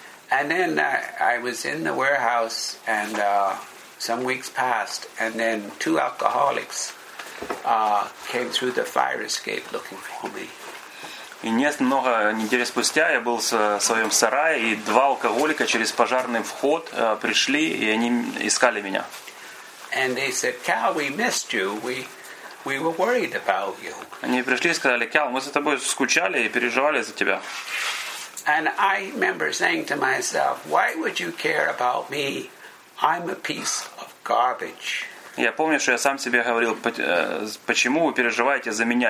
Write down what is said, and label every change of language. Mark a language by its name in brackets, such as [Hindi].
[English] And then I was in the warehouse, and some weeks passed, and then 2 alcoholics came through the fire escape looking for me. [Russian] И немного недель спустя я был в своем сарае, и 2 алкоголика через пожарный вход пришли, и они искали меня. [English] And they said, "Cal, we missed you. We were worried about you." [Russian] Они пришли и сказали: "Кал, мы за тобой скучали и переживали за тебя." [English] And I remember saying to myself, why would you care about me? I'm a piece of garbage. [Russian] Я помню, что я сам себе говорил, почему вы переживаете за меня?